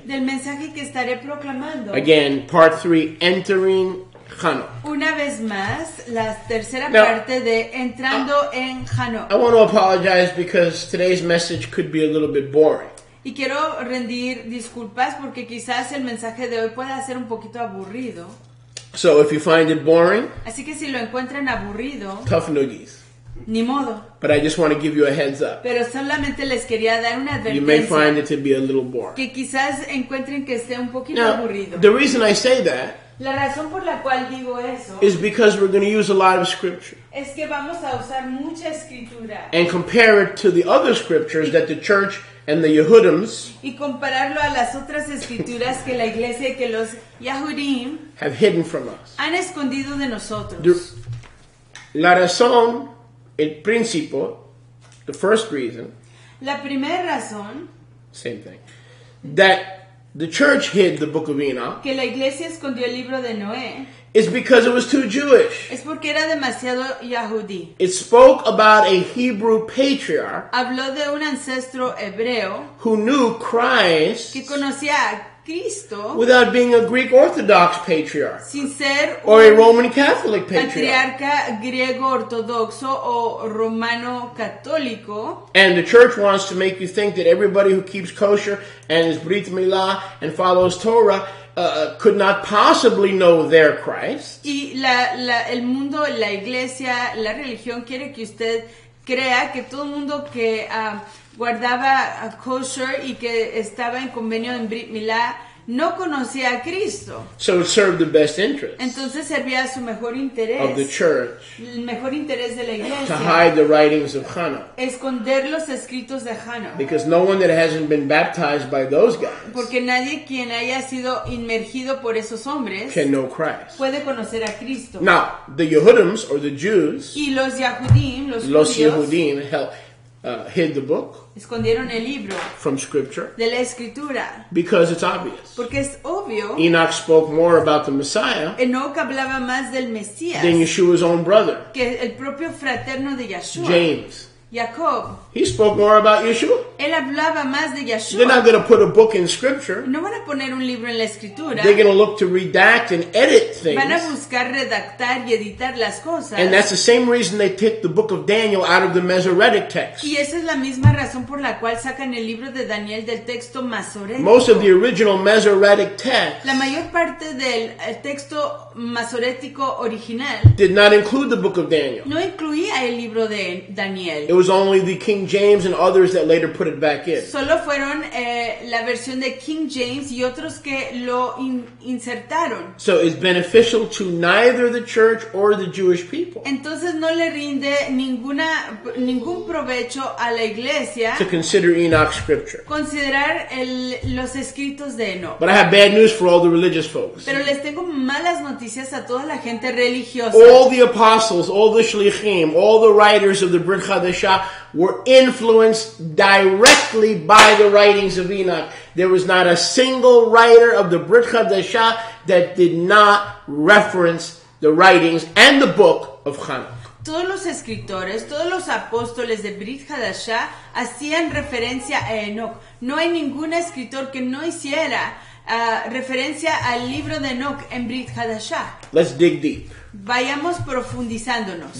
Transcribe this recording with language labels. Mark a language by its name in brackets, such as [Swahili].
[Spanish] Del mensaje que estaré proclamando. [English] Again, part three, entering Hanukkah. [Spanish] Una vez más, la tercera Now, parte de entrando en Hanukkah. [English] I want to apologize because today's message could be a little bit boring. [Spanish] Y quiero rendir disculpas porque quizás el mensaje de hoy pueda ser un poquito aburrido. [English] So if you find it boring, [Spanish] así que si lo encuentran aburrido, [English] tough noogies. [Spanish] Ni modo. [English] But I just want to give you a heads up. [Spanish] Pero solamente les quería dar una advertencia. [English] You may find it to be a little boring. [Spanish] Que quizás encuentren que esté un poquito [English] Now, [Spanish] aburrido. [English] The reason I say that, [Spanish] la razón por la cual digo eso, [English] is because we're going to use a lot of scripture. [Spanish] Es que vamos a usar mucha escritura. [English] And compare it to the other scriptures that the church and the Yehudims [Spanish] y compararlo a las otras escrituras que la iglesia y que los Yahudim [English] have hidden from us. [Spanish] Han escondido de nosotros. La razón, el principio, [English] the first reason, [Spanish] la primera razón, [English] same thing, that the church hid the book of Enoch, [Spanish] que la iglesia escondió el libro de Noé, [English] is because it was too Jewish. [Spanish] Es porque era demasiado Yahudí. [English] It spoke about a Hebrew patriarch. [Spanish] Habló de un ancestro hebreo. [English] Who knew Christ. [Spanish] Que conocía a Cristo. [English] Without being a Greek Orthodox patriarch. [Spanish] Sin ser [English] or a Roman Catholic patriarch. [Spanish] Patriarca griego ortodoxo o romano católico. [English] And the church wants to make you think that everybody who keeps kosher and is Brit Milah and follows Torah could not possibly know their Christ. [Spanish] Y la el mundo, la iglesia, la religión quiere que usted crea que todo el mundo que guardaba kosher y que estaba en convenio en Brit Milah no conocía a Cristo. [English] So it served the best interest. [Spanish] Entonces servía su mejor interés. [English] Of the church. [Spanish] El mejor interés de la iglesia. [English] To hide the writings of Hannah. [Spanish] Esconder los escritos de Hannah. [English] Because no one that hasn't been baptized by those guys. [Spanish] Porque nadie quien haya sido inmergido por esos hombres. [English] Can know Christ. [Spanish] Puede conocer a Cristo. [English] Now, the Yehudims or the Jews. [Spanish] Y los Yahudim, los judíos. [English] Los Yehudim, hid the book. [Spanish] Escondieron el libro [English] from scripture [Spanish] de la escritura [English] because it's obvious [Spanish] porque es obvio [English] Enoch spoke more about the Messiah [Spanish] Enoch hablaba más del Mesías [English] than Yeshua's own brother [Spanish] que el propio fraterno de Yeshua [English] James [Spanish] Jacob [English] he spoke more about Yeshua [Spanish] él hablaba más de Yeshua [English] they're not going to put a book in scripture [Spanish] no van a poner un libro en la escritura [English] they're going to look to redact and edit things [Spanish] van a buscar redactar y editar las cosas [English] and that's the same reason they took the book of Daniel out of the Masoretic text [Spanish] y esa es la misma razón por la cual sacan el libro de Daniel del texto masorético [English] most of the original Masoretic text [Spanish] la mayor parte del texto masorético original [English] did not include the book of Daniel [Spanish] no incluía el libro de Daniel [English] it was only the King James and others that later put it back in. [Spanish] Solo fueron la versión de King James y otros que lo insertaron. [English] So it's beneficial to neither the church or the Jewish people. [Spanish] Entonces no le rinde ningún provecho a la iglesia. [English] To consider Enoch's scripture. [Spanish] Considerar los escritos de Enoch. [English] But I have bad news for all the religious folks. [Spanish] Pero les tengo malas noticias a toda la gente religiosa. [English] All the apostles, all the shlichim, all the writers of the Brit Chadasha were influenced directly by the writings of Enoch. There was not a single writer of the Brit Chadasha that did not reference the writings and the book of Enoch. [Spanish] Todos los escritores, todos los apóstoles de Brit Chadasha hacían referencia a Enoch. No hay ningún escritor que no hiciera referencia al libro de Enoch en Brit Chadasha. [English] Let's dig deep. [Spanish] Vayamos profundizándonos.